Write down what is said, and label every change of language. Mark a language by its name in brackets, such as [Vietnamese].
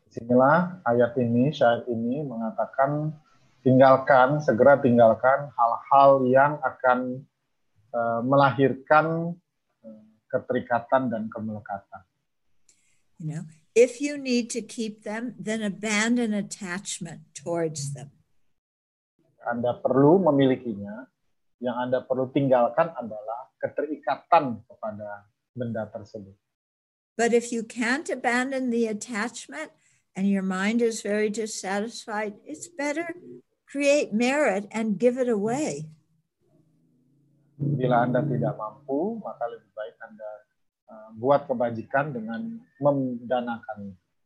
[Indonesian] Disinilah ayat ini, syair ini mengatakan tinggalkan, segera tinggalkan hal-hal yang akan melahirkan keterikatan dan kemelekatan. [English] You know, if you need to keep them, then abandon attachment towards them. [Indonesian] Anda perlu memilikinya, yang Anda perlu tinggalkan adalah keterikatan kepada benda tersebut. [English] But if you can't abandon the attachment and your mind is very dissatisfied, it's better create merit and give it away. [Indonesian] Bila Anda tidak mampu, maka lebih baik Anda buat kebajikan dengan mendanakan.